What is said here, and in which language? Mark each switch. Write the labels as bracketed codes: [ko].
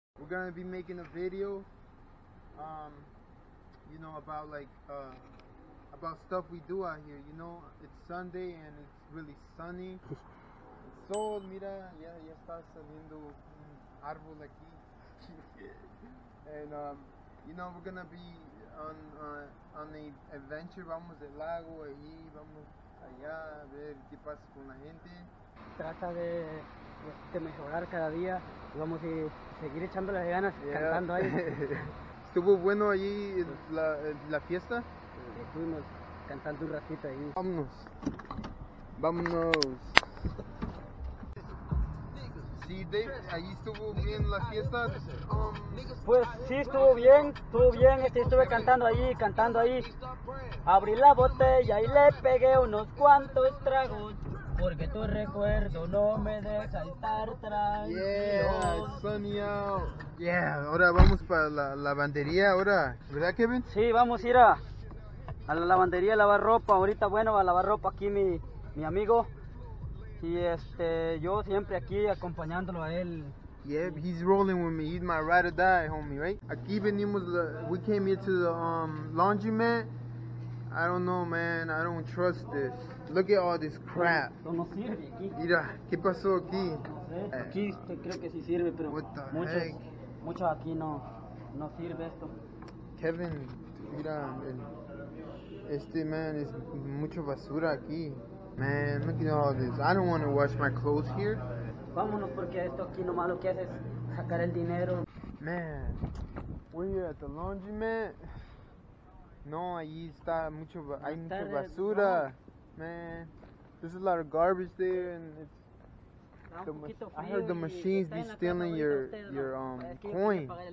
[en] gonna be making a video, you know, about like about stuff we do out here. You know, it's Sunday and it's really sunny. [es] Sol, mira, ya está saliendo un árbol aquí. And you know, we're gonna be on a adventure. Vamos al lago ahí, vamos allá a ver qué pasa con la gente. Trata de mejorar cada día. Vamos a seguir echándole ganas, yeah, cantando ahí. ¿Estuvo bueno allí la fiesta? Sí, estuvimos cantando un ratito ahí. Vámonos. Vámonos. Sí, Dave, ahí estuvo bien la fiesta. Pues sí, estuvo bien. Estuve cantando ahí. Abrí la botella y le pegué unos cuantos tragos. Porque tu recuerdo no me deja estar tranquilo. [en] Yeah, sunny out. [es] Yeah, ahora vamos para la lavandería ahora. ¿Verdad, Kevin? Sí, vamos a ir a la lavandería a lavar ropa. Ahorita, bueno, a lavar ropa aquí mi amigo. Y yo siempre aquí acompañándolo a él. [en] Yeah, he's rolling with me. He's my ride or die, homie, right? [es] Aquí venimos, [en] we came here to the laundromat. I don't know, man. I don't trust this. Look at all this crap. [es] Esto no sirve aquí. Mira, ¿qué pasó aquí? No sé. Aquí creo que sí sirve, pero mucho aquí no sirve esto. Kevin, mira, man, es mucho basura aquí. [en] Man, look at all this. I don't want to wash my clothes here. [es] Vámonos porque esto aquí nomás lo que hace es sacar el dinero. [en] Man, we're here at the laundromat. [es] No, ahí está mucho, hay mucha basura. [en] Man, there's a lot of garbage there and it's I heard the machines be stealing your coin.